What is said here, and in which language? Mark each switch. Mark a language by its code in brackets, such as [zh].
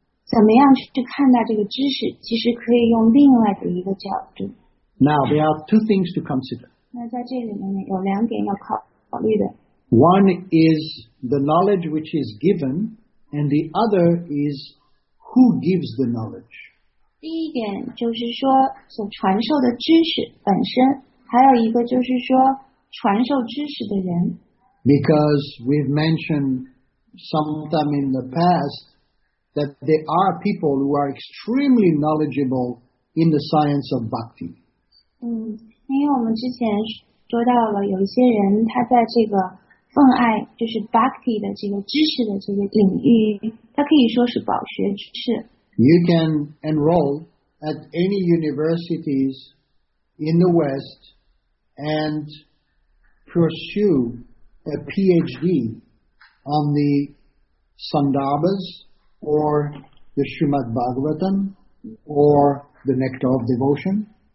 [zh] 怎么样去看待这个知识，其实可以用另外的一个角度。 [en] Now, there are two things to consider. [zh] 那在这里面有两点要考, 考虑的。 [en] One is the knowledge which is given, and the other is who gives the knowledge. [zh] 第一点就是说所传授的知识本身，还有一个就是说传授知识的人。 [en] Because we've mentioned sometime in the past that there are people who are extremely knowledgeable in the science of bhakti. [zh] 因为我们之前说到了有一些人他在这个奉爱就是 bhakti 的这个知识的这个领域，他可以说是饱学之士。 [en] You can enroll at any universities in the West and pursue a PhD on the Sandarbhas or the Srimad Bhagavatam or the Nectar of Devotion.